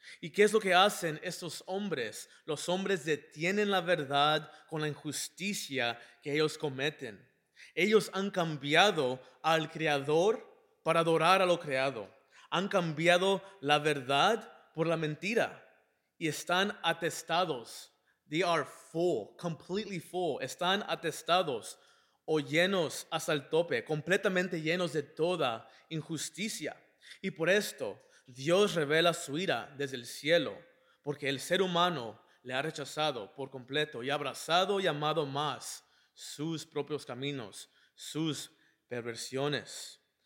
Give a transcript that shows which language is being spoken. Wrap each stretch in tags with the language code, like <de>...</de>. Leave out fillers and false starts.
<es>¿Y qué es lo que hacen estos hombres? Los hombres detienen la verdad con la injusticia que ellos cometen. Ellos han cambiado al Creador para adorar a lo creado. Han cambiado la verdad por la mentira y están atestados.</es> <en>They are full, completely full.</en> <es>Están atestados o llenos hasta el tope, completamente llenos de toda injusticia. Y por esto, Dios revela su ira desde el cielo, porque el ser humano le ha rechazado por completo y ha abrazado y amado más sus propios caminos, sus perversiones.</es>